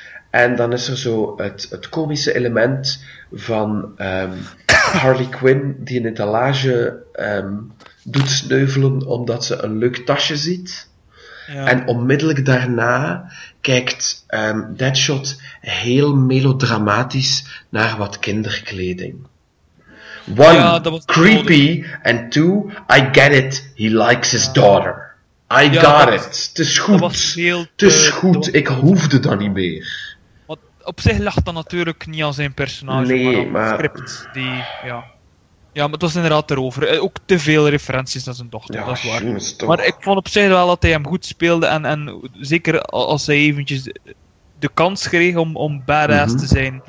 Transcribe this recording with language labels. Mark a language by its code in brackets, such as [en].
[nl] En dan is er zo het komische element van Harley Quinn, die een etalage doet sneuvelen omdat ze een leuk tasje ziet. Ja. En onmiddellijk daarna kijkt Deadshot heel melodramatisch naar wat kinderkleding. [en] One, ja, creepy, en two, I get it, he likes his daughter. I got it, [nl] het is goed, het is goed, ik hoefde dat niet meer. Wat op zich lag dat natuurlijk niet aan zijn personage, nee, maar aan script. Die, ja, maar het was inderdaad erover. Ook te veel referenties naar zijn dochter, ja, dat is waar. Jongens, toch. Maar ik vond op zich wel dat hij hem goed speelde, en zeker als hij eventjes de kans kreeg om badass te zijn.